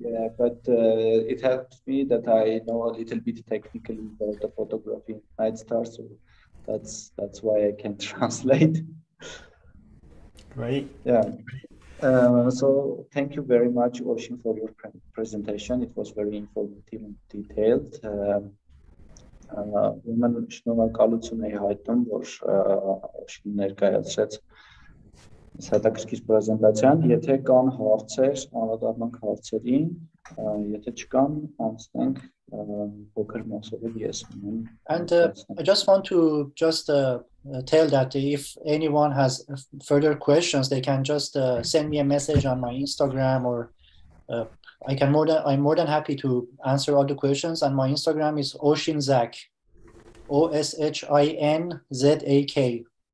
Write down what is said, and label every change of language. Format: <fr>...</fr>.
<en>Yeah, but it helped me that I know a little bit technically about the photography night stars, so that's why I can translate. Great. Yeah. So thank you very much, Oshin, for your presentation. It was very informative and detailed.</en> <hy>Ումեն շնորհակալություն էի հայտնում, որ Օշին ներկայացրեց այս հետաքրքիր պրեզենտացիան։ Եթե կան հարցեր, անդրադառնանք հարցերին, եթե չկան, անցնենք փոքր մասով ես ունեմ։</hy> <en>And I just want to tell that if anyone has further questions, they can just send me a message on my Instagram or I'm more than happy to answer all the questions, and my Instagram is Oshin Zak, OshinZak.</en>